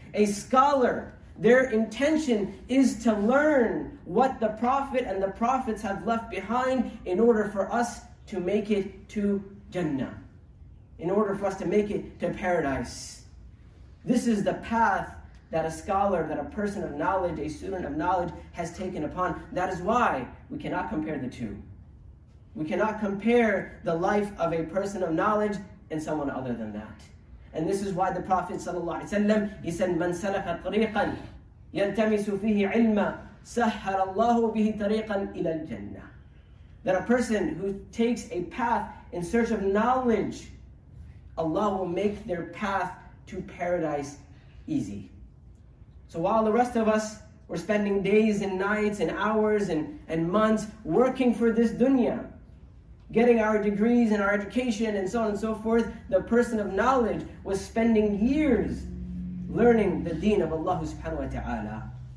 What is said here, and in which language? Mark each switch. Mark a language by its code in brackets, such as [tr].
[en] A scholar, their intention is to learn what the Prophet and the Prophets have left behind in order for us to make it to Jannah, in order for us to make it to paradise. This is the path that a scholar, that a person of knowledge, a student of knowledge has taken upon. That is why we cannot compare the two. We cannot compare the life of a person of knowledge and someone other than that. [ar] And this is why the Prophet ﷺ, he said, مَنْ سَلَكَ طَرِيقًا يَلْتَمِسُ فِيهِ عِلْمًا سَحَّرَ اللَّهُ بِهِ طَرِيقًا إِلَى الْجَنَّةِ. [en] That a person who takes a path in search of knowledge, Allah will make their path to paradise easy. So while the rest of us were spending days and nights and hours and months working for this dunya, getting our degrees and our education and so on and so forth, the person of knowledge was spending years learning the deen of Allah subhanahu wa ta'ala.